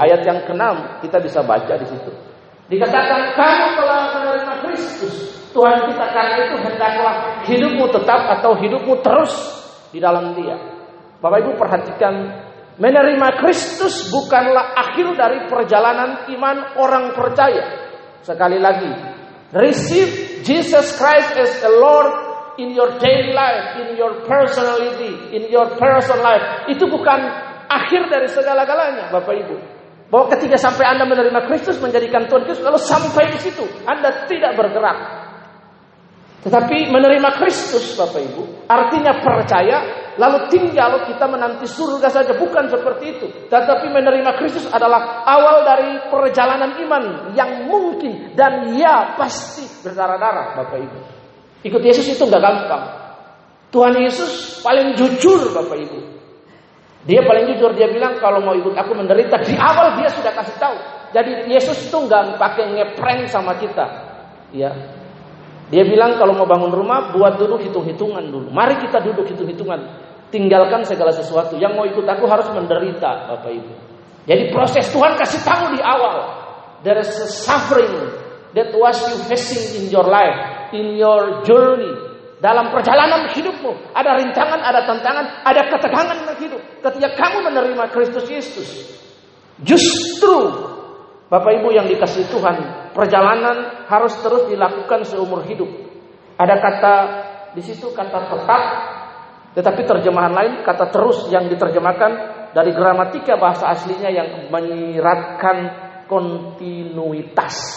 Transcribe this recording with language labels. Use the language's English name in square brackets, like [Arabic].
[Indonesian] Ayat yang ke-6 kita bisa baca di situ. Dikatakan kamu telah menerima Kristus Tuhan kita, karena itu hendaklah hidupmu tetap atau hidupmu terus di dalam dia. Bapak Ibu perhatikan, menerima Kristus bukanlah akhir dari perjalanan iman orang percaya. Sekali lagi, [English] receive Jesus Christ as the Lord in your daily life, in your personality, in your personal life. [Indonesian] Itu bukan akhir dari segala-galanya, Bapak Ibu. Bahwa ketika sampai Anda menerima Kristus, menjadikan Tuhan Yesus, lalu sampai di situ, Anda tidak bergerak. Tetapi menerima Kristus, Bapak Ibu, artinya percaya, lalu tinggal kita menanti surga saja. Bukan seperti itu. Tetapi menerima Kristus adalah awal dari perjalanan iman yang mungkin dan ya pasti berdarah-darah, Bapak Ibu. Ikut Yesus itu gak gampang. Tuhan Yesus paling jujur, Bapak Ibu. Dia paling jujur, dia bilang kalau mau ikut aku menderita. Di awal dia sudah kasih tahu. Jadi Yesus itu gak pakai ngeprank sama kita. Ya. Dia bilang kalau mau bangun rumah, buat dulu hitung-hitungan dulu. Mari kita duduk hitung-hitungan. Tinggalkan segala sesuatu. Yang mau ikut aku harus menderita, Bapak Ibu. Jadi proses Tuhan kasih tahu di awal. [English] There is a suffering that was you facing in your life, in your journey. [Indonesian] Dalam perjalanan hidupmu, ada rintangan, ada tantangan, ada ketegangan dalam hidup. Ketika kamu menerima Kristus Yesus, justru Bapak Ibu yang dikasihi Tuhan, perjalanan harus terus dilakukan seumur hidup. Ada kata di situ, kata tetap, tetapi terjemahan lain kata terus yang diterjemahkan dari gramatika bahasa aslinya yang menyiratkan kontinuitas.